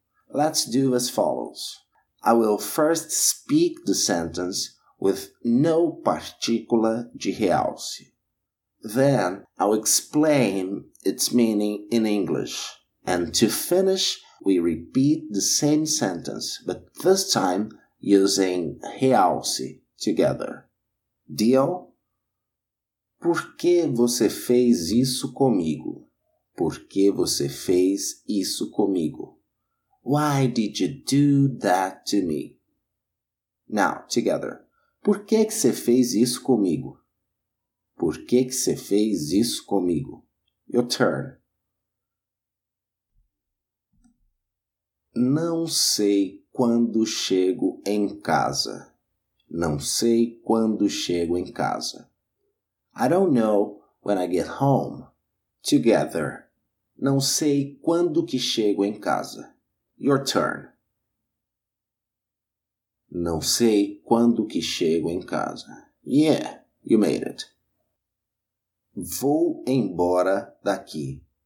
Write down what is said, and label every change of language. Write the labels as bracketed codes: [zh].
[en] Let's do as follows. I will first speak the sentence with no [pt] partícula de realce. [en] Then I'll explain its meaning in English. And to finish, we repeat the same sentence, but this time using realce together. Deal? [pt] Por que você fez isso comigo? Por que você fez isso comigo? [en] Why did you do that to me? Now, together. [pt] Por que que você fez isso comigo? Por que que você fez isso comigo? [en] Your turn. [pt] Não sei quando chego em casa. Não sei quando chego em casa. [en] I don't know when I get home. Together. [pt] Não sei quando que chego em casa. [en] Your turn. [pt] Não sei quando que chego em casa. [en] Yeah, you made it. [pt] Vou embora daqui.